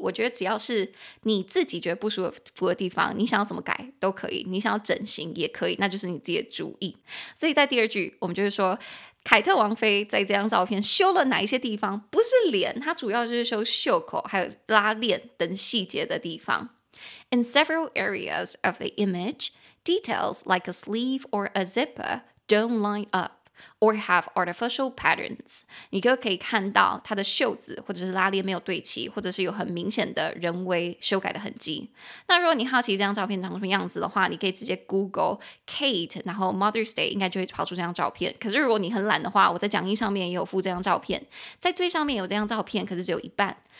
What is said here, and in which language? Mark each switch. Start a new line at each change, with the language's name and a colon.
Chinese: 我觉得只要是你自己觉得不舒服的地方，你想要怎么改都可以，你想要整形也可以，那就是你自己的主意。所以在第二句我们就是说，凯特王妃在这张照片修了哪一些地方，不是脸，她主要就是修袖口还有拉链等细节的地方。
English: In several areas of the image, details like a sleeve or a zipper don't line up or have artificial patterns.
Chinese: 你就可以看到它的袖子或者是拉链没有对齐，或者是有很明显的人为修改的痕迹。那如果你好奇这张照片长什么样子的话，你可以直接 Google Kate 然后 Mother's Day 应该就会跑出这张照片。可是如果你很懒的话，我在讲义上面也有附这张照片，在最上面有这张照片，可是只有一半。